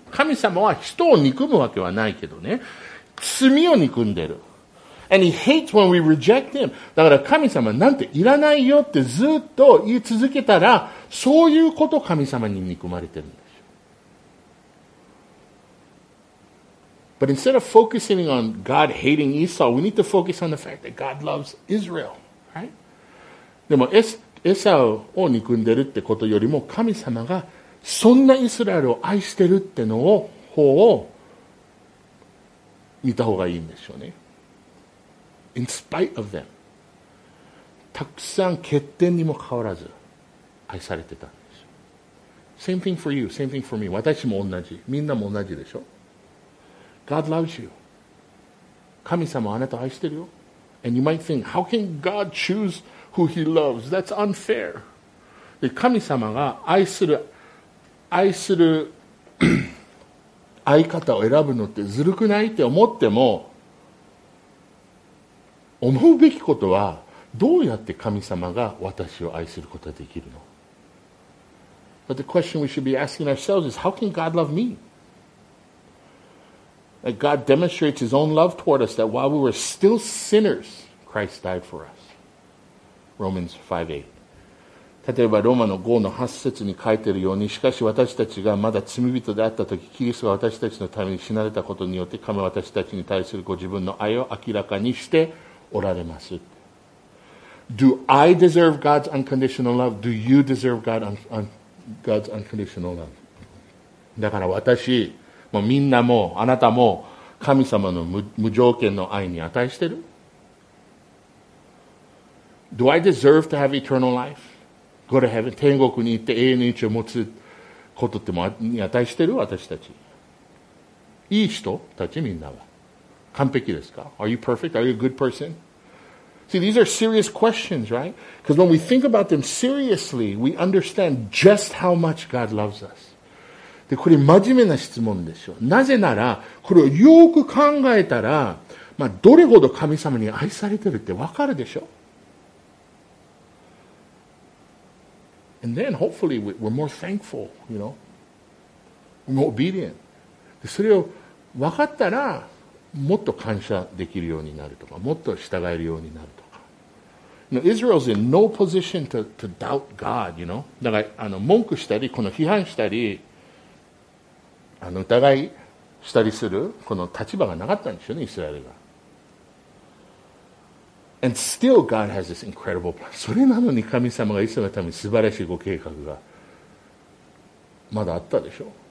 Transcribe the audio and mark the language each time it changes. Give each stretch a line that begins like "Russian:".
Japanese: 神様は人を憎むわけはないけどね。罪を憎んでる。
English: And he hates when we reject him.
Japanese: だから神様なんていらないよってずっと言い続けたら、そういうこと神様に憎まれてるんですよ。
English: But instead of focusing on God hating Esau, we need to focus on the fact that God loves Israel, right?
Japanese: でもエサウを憎んでるってことよりも、神様がそんなイスラエルを愛してるってのを方を見た方がいいんでしょうね。
English: In spite of them.
Japanese: たくさん欠点にもかかわらず愛されてたんですよ。
English: Same thing for you, same thing for me.
Japanese: 私も同じ。みんなも同じでしょ。
English: God loves you.
Japanese: 神様あなたを愛してるよ。
English: And you might think, how can God choose who he loves? That's unfair.
Japanese: で、神様が愛する相方を選ぶのってずるくないって思っても、思うべきことは、どうやって神様が私を愛することができるの。
English: But the question we should be asking ourselves is, how can God love me? That God demonstrates his own love toward us, that while we were still sinners, Christ died for us. Romans 5:8.
Japanese: 例えばローマの5の8節に書いているように、しかし私たちがまだ罪人であったとき、キリストが私たちのために死なれたことによって、神は私たちに対するご自分の愛を明らかにしておられます。
English: Do I deserve God's unconditional love? Do you deserve God's unconditional love?
Japanese: だから私もみんなもあなたも神様の 無条件の愛に値してる?
English: Do I deserve to have eternal life? Go to heaven,
Japanese: 天国に行って永遠の命を持つことってもに値してる私たち。いい人たちみんなは。完璧ですか?
English: Are you perfect? Are you a good person? See, these are serious questions, right? Because when we think about them seriously, we understand just how much God loves us.
Japanese: で、これ真面目な質問でしょう。なぜなら、これをよく考えたら、まあ、どれほど神様に愛されてるってわかるでしょう。
English: And then, hopefully, we're more thankful, you know? More obedient.
Japanese: で、それをわかったら、もっと感謝できるようになるとか、もっと従えるようになるとか。
English: Now, Israel's in no position to doubt God, you know?
Japanese: だから、文句したり、この批判したり、疑いしたりする、この立場がなかったんですよね、イスラエルが。
English: And still God has this incredible plan.
Japanese: それなのに神様がイスラエルのために素晴らしいご計画が、まだあったでしょ。